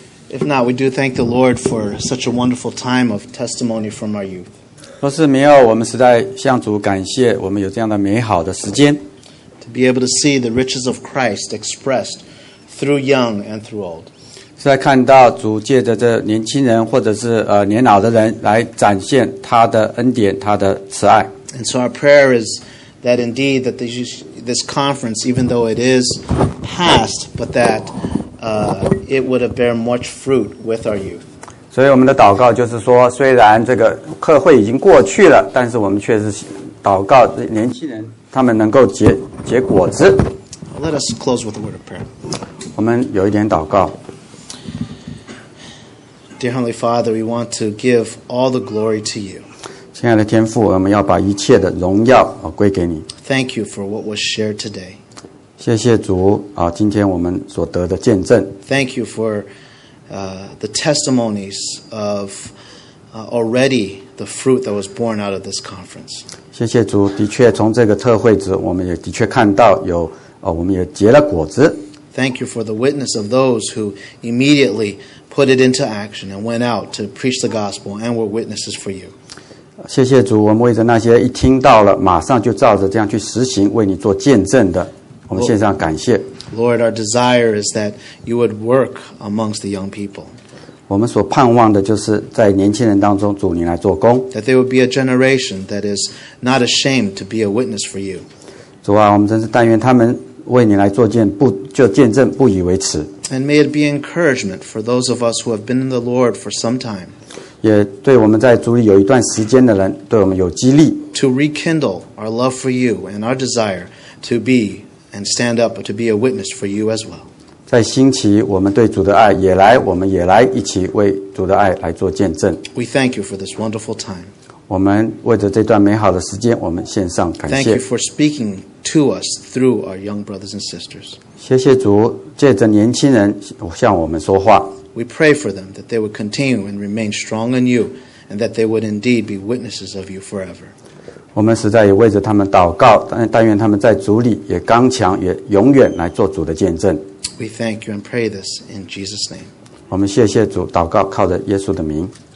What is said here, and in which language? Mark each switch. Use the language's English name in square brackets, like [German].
[English] If not, we do thank the Lord for such a wonderful time of testimony from our youth. [Chinese] 若是没有，我们实在向主感谢，我们有这样的美好的时间。 [English] Be able to see the riches of Christ expressed through young and through old. [Chinese] 是在看到主借着这年轻人或者是年老的人来展现他的恩典，他的慈爱。 [English] And so our prayer is that indeed that this conference, even though it is past, but that it would have borne much fruit with our youth. [Chinese] 所以我们的祷告就是说，虽然这个课会已经过去了，但是我们却是祷告年轻人。他们能够 结果子。 [English] Let us close with a word of prayer. [Chinese] 我们有一点祷告。 [English] Dear Heavenly Father, we want to give all the glory to you. [Chinese] 亲爱的天父，我们要把一切的荣耀归给你。 [English] Thank you for what was shared today. [Chinese] 谢谢主今天我们所得的见证。 [English] Thank you for the testimonies of already the fruit that was born out of this conference. [Chinese] 谢谢主，的确从这个特会子，我们也的确看到有，我们也结了果子。 [English] Thank you for the witness of those who immediately put it into action and went out to preach the gospel and were witnesses for you. [Chinese] 谢谢主，我们为着那些一听到了马上就照着这样去实行，为你做见证的，我们献上感谢。 [English] Lord, our desire is that you would work amongst the young people. [Chinese] 我们所盼望的就是在年轻人当中主你来做工。 [English] That there would be a generation that is not ashamed to be a witness for you. [Chinese] 主啊，我们真是但愿他们为你来做见，不就见证不以为耻。 [English] And may it be encouragement for those of us who have been in the Lord for some time. [Chinese] 也对我们在主里有一段时间的人，对我们有激励。 [English] To rekindle our love for you and our desire to be and stand up to be a witness for you as well. [Chinese] 在兴起我们对主的爱也来我们也来一起为主的爱来做见证 [English] We thank you for this wonderful time [Chinese] 我们为着这段美好的时间我们献上感谢 [English] Thank you for speaking to us through our young brothers and sisters [Chinese] 谢谢主借着年轻人向我们说话 [English] We pray for them that they would continue and remain strong in you and that they would indeed be witnesses of you forever [Chinese] 我们实在也为着他们祷告，但愿他们在主里也刚强，也永远来做主的见证。 [English] We thank you and pray this in Jesus' name. [Chinese] 我们谢谢主，祷告靠着耶稣的名。